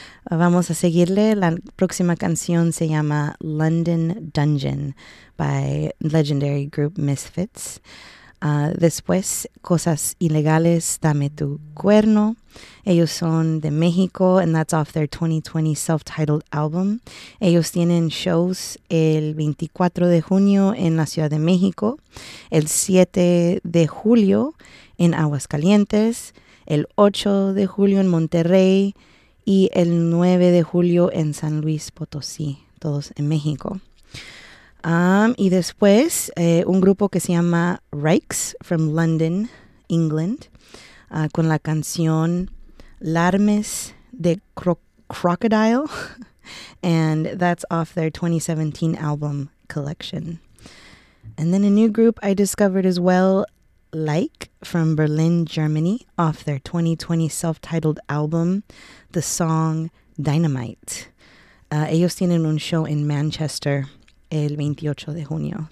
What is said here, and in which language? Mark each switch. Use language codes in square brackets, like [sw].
[es] Vamos a seguirle. La próxima canción se llama London Dungeon [en] by legendary group Misfits. [es] Después, Cosas Ilegales, Dame Tu Cuerno. Ellos son de México, [en] and that's off their 2020 self-titled album. [es] Ellos tienen shows el 24 de junio en la Ciudad de México, el 7 de julio en Aguascalientes, el 8 de julio en Monterrey, y el 9 de julio en San Luis Potosí, todos en México. Y después, un grupo que se llama Rikes from London, England, con la canción Larmes de Crocodile, [en] and that's off their 2017 album collection. And then a new group I discovered as well, Like, from Berlin, Germany, off their 2020 self-titled album, the song Dynamite. [es] Ellos tienen un show in Manchester el 28 de junio.